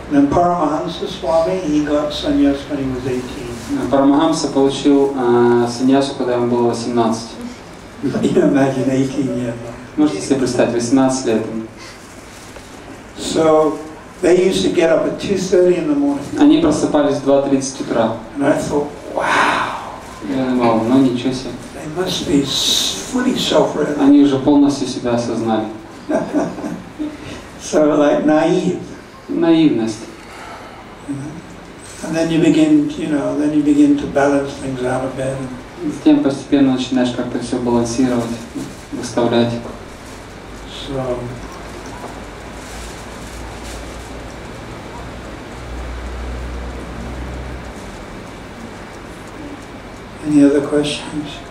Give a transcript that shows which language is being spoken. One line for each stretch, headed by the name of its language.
English: Then Paramahamsa Swami, he got sannyas when he was 18.
Russian: Парамахамса получил саньясу, когда ему было 18.
English: You imagine 18 years.
Russian: Можете себе представить, 18 лет.
English: So they used to get up at 2:30 in the morning.
Russian: Они просыпались в 2:30 утра.
English: And I thought, wow.
Russian: Я думал, ну ничего себе.
English: They must be fully self-realized.
Russian: Они уже полностью себя осознали.
English: So like naive.
Russian: Наивность. Mm-hmm.
English: And then you begin, you know, then you begin to balance things out a bit.
Russian: Затем постепенно начинаешь как-то все балансировать, выставлять.
English: So. Any other questions?